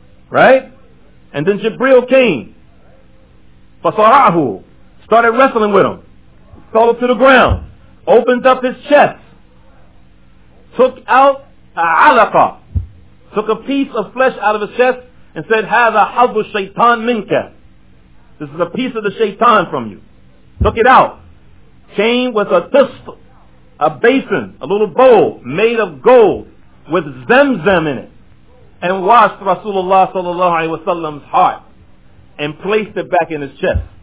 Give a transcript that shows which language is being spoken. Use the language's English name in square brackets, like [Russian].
[English] Right? And then Jibril came. [Arabic] فَصَرَعَهُ. [English] Started wrestling with him. Fell to the ground. Opened up his chest. Took out a alaqa. Took a piece of flesh out of his chest. And said, [Arabic] هَذَا حَظُ الشَّيْطَانِ مِنْكَ. [English] This is a piece of the shaitan from you. Took it out. Came with a tusf, a basin, a little bowl made of gold with zamzam in it. and washed Rasulullah sallallahu alayhi wa sallam's heart and placed it back in his chest.